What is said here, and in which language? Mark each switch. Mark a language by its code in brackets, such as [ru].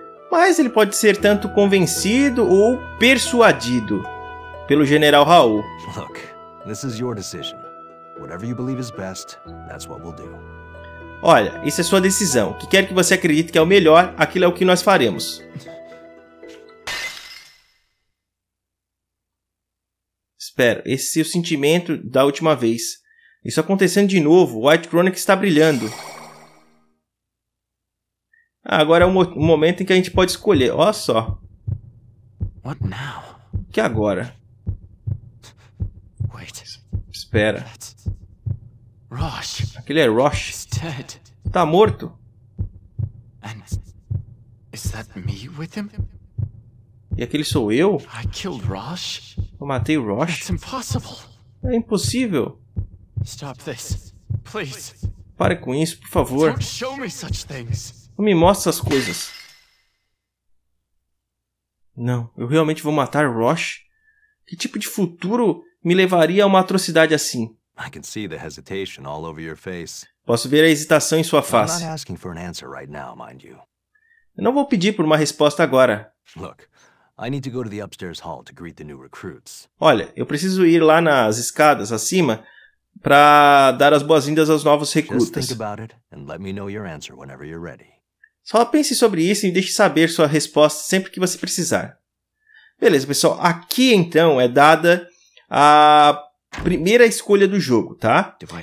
[pt] Mas ele pode ser tanto convencido ou persuadido pelo General Raul. [en] Look, this is your decision. Whatever you believe is best, that's what we'll do. [pt] Olha, isso é sua decisão. O que quer que você acredite que é o melhor, aquilo é o que nós faremos. Espera, esse é o sentimento da última vez. Isso acontecendo de novo, White Chronicle está brilhando. Ah, agora é o momento em que a gente pode escolher. Olha só. O que agora? [en] Wait. [pt] Espera. Rosh. Aquele é Rosh. Tá morto? [en] And is that me with him? [pt] E aquele sou eu? [en] I killed Rosh? [pt] Eu matei o Rosh? [en] That's impossible. [pt] É impossível. [en] Stop this. Please. [pt] Pare com isso, por favor. [en] Don't show me such things. [pt] Não me mostre essas coisas. Não, eu realmente vou matar Rosh? Que tipo de futuro me levaria a uma atrocidade assim? [en] I can see the hesitation all over your face. [pt] Posso ver a hesitação em sua face. [en] I'm not asking for an answer right now, mind you. [pt] Eu não vou pedir por uma resposta agora. [en] Look, I need to go to the upstairs hall to greet the new recruits. [pt] Olha, eu preciso ir lá nas escadas acima para dar as boas-vindas aos novos recrutas. [en] Just think about it and let me know your answer whenever you're ready. [pt] Só pense sobre isso e deixe saber sua resposta sempre que você precisar. Beleza, pessoal. Aqui, então, é dada a primeira escolha do jogo, tá?